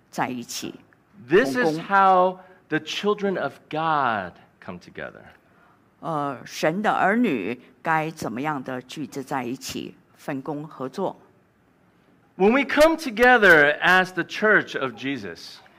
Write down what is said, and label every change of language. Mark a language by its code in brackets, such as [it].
[en] This is how the children of God come together. [zh] 神的儿女该怎么样的聚集在一起，分工合作。 [en] When we come together as the church of Jesus,